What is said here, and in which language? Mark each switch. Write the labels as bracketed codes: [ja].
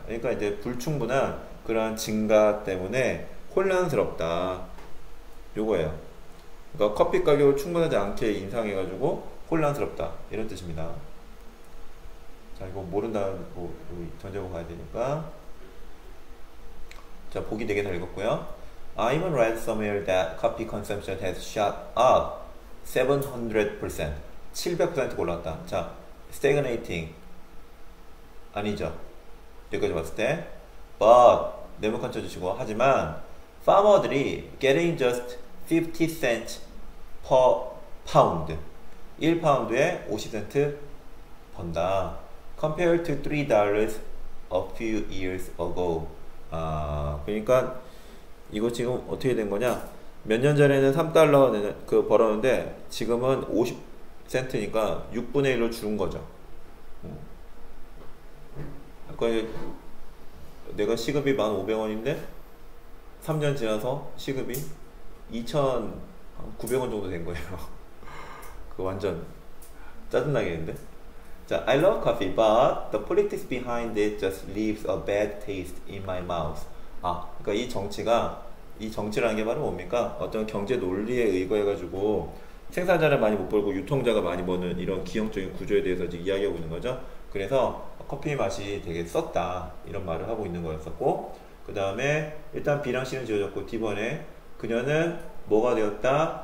[ko] 그러니까 이제 불충분한 그러한 증가 때문에 혼란스럽다. 요거예요. 그러니까 커피 가격을 충분하지 않게 인상해가지고 혼란스럽다. 이런 뜻입니다. 자, 이거 모른다는 거 전제하고 가야 되니까. 자, 보기 되게 잘 읽었고요. [en] I even read somewhere that coffee consumption has shot up 700%. [ko] 700%가 올랐다. 자, stagnating. 아니죠. 여기까지 봤을 때. [en] But, [ko] 네모 컨쳐 주시고. 하지만, [en] farmer들이 getting just 50 cents per pound. [ko] 1파운드에 50센트 번다. [en] Compared to $3 a few years ago. [ko] 아, 그러니까 이거 지금 어떻게 된 거냐? 몇 년 전에는 3달러 그 벌었는데 지금은 50센트니까 6분의 1로 줄은 거죠. 아까 내가 시급이 1,500원인데 3년 지나서 시급이 2,900원 정도 된 거예요. 그 완전 짜증나겠는데? [en] 자, I love coffee, but the politics behind it just leaves a bad taste in my mouth. [ko] 아, 그러니까 이 정치라는 게 바로 뭡니까? 어떤 경제 논리에 의거해가지고 생산자를 많이 못 벌고 유통자가 많이 버는 이런 기형적인 구조에 대해서 지금 이야기하고 있는 거죠. 그래서 커피 맛이 되게 썼다 이런 말을 하고 있는 거였었고, 그 다음에 일단 B랑 C는 지워졌고 D번에 그녀는 뭐가 되었다?